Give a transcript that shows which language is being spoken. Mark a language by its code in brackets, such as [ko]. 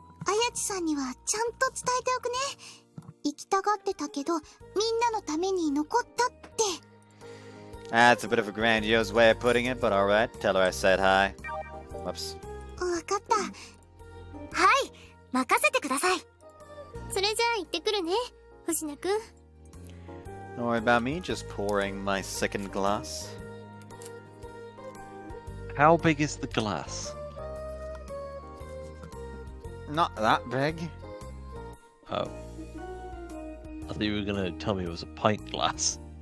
[ja] あやちさんにはちゃんと伝えておくね。行きたがってたけど、みんなのために残ったって。 [en] That's a bit of a grandiose way of putting it, but alright, tell her I said hi. Whoops. [ja] わかった。はい、任せてください。それじゃあ行ってくるね、星野くん。 [en] Don't worry about me, just pouring my second glass. How big is the glass? Not that big. Oh. I thought you were gonna tell me it was a pint glass.